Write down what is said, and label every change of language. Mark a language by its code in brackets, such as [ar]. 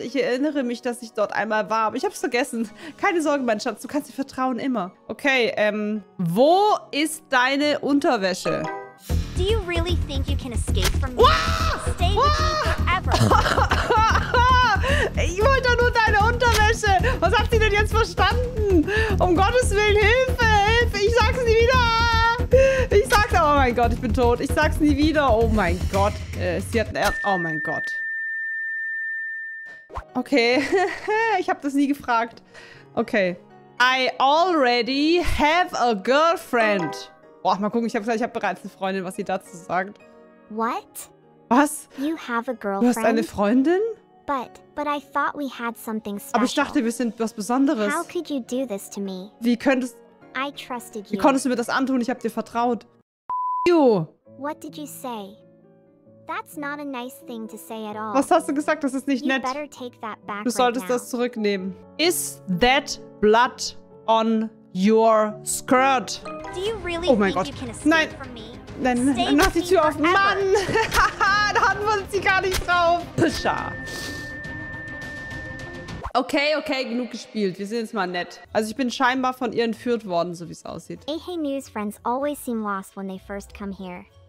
[de] Ich erinnere mich, dass ich dort einmal war. Aber ich habe es vergessen. Keine Sorge, mein Schatz. Du kannst dir vertrauen, immer. Okay, wo ist deine Unterwäsche? [en] Do you really think you can escape from me? Ah! Stay with me forever. [de] Ich wollte doch nur deine Unterwäsche. Was habt ihr denn jetzt verstanden? Um Gottes Willen, Hilfe, Hilfe. Ich sag's nie wieder. Ich sag's, oh mein Gott, ich bin tot. Ich sag's nie wieder. Oh mein Gott. Sie hat ein Erz. Oh mein Gott. Okay. Ich habe das nie gefragt. Okay. [en] I already have a girlfriend. [de] Boah, mal gucken. Ich habe gesagt, ich habe bereits eine Freundin, was sie dazu sagt. [en] What? [de] Was? [en] You have a girlfriend? [de] Du hast eine Freundin? [en] But I thought we had something special. [de] Aber ich dachte, wir sind was Besonderes. [en] How could you do this to me? [de] Wie könntest... [en] I trusted you. [de] Wie konntest du mir das antun? Ich habe dir vertraut. [en] What did you say? That's not a nice thing to say at all. [de] Was hast du gesagt? Das ist nicht nett. [en] You better take that back. [de] Du solltest das zurücknehmen. [en] Is that blood on your skirt? Do you really think you can escape from me? [de] Nein, nein, mach die Tür auf. Mann! Da antwortet sie gar nicht drauf. Pusha. Okay, okay, genug gespielt. Wir sind jetzt mal nett. Also ich bin scheinbar von ihr entführt worden, so wie es aussieht. [en] Hey, hey, news friends always seem lost when they first come here.